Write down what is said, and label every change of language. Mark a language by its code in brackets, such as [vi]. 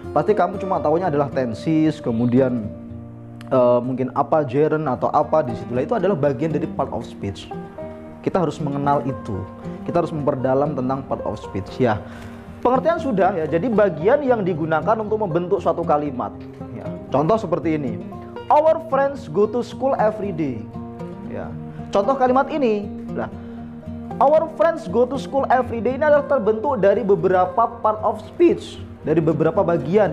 [id] Pasti kamu cuma tahunya adalah tenses, kemudian mungkin apa gerund atau apa di situlah, itu adalah bagian dari part of speech. Kita harus mengenal itu. Kita harus memperdalam tentang part of speech ya. Pengertian sudah ya. Jadi bagian yang digunakan untuk membentuk suatu kalimat ya. Contoh seperti ini. [en] Our friends go to school every day. [id] Ya. Contoh kalimat ini. Nah, [en] our friends go to school every day [id] ini adalah terbentuk dari beberapa part of speech, dari beberapa bagian.